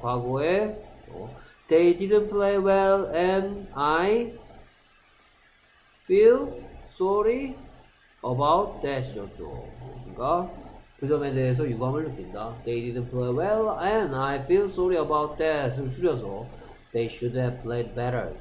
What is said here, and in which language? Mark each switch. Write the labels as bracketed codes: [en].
[ko] 과거에 [en] They didn't play well and I feel sorry about that [ko] 였죠. 그러니까 그 점에 대해서 유감을 느낀다. [en] They didn't play well and I feel sorry about that [ko] 을 줄여서 [en] They should have played better.